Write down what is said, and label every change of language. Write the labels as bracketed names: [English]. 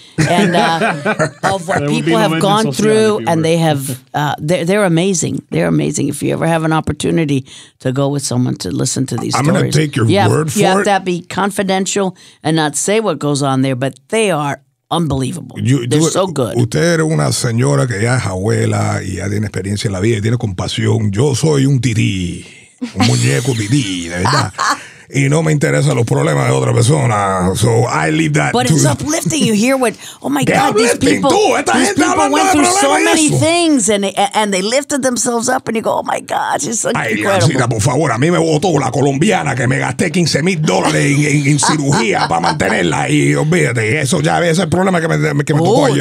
[English] And of what there people no have gone through, and they have, they're amazing. They're amazing. If you ever have an opportunity to go with someone to listen to these stories. I'm going to take your word for it. You have to be confidential and not say what goes on there, but they are unbelievable. They're so good. [Spanish] Usted era una señora que ya es abuela y ya tiene experiencia en la vida y tiene compasión. Yo soy un tití, un muñeco tití, de verdad. Y no me interesan los problemas de otra persona. [English] So I leave that. But it's uplifting. You hear what? Oh my God, these people. These people went through so many things and they lifted themselves up and you go, oh my God, it's so incredible. [Spanish] Ay, Leoncita, por favor, a mí me votó la colombiana que me gasté $15,000 en cirugía para mantenerla. Y olvídate, eso ya es el problema que me tocó ayer.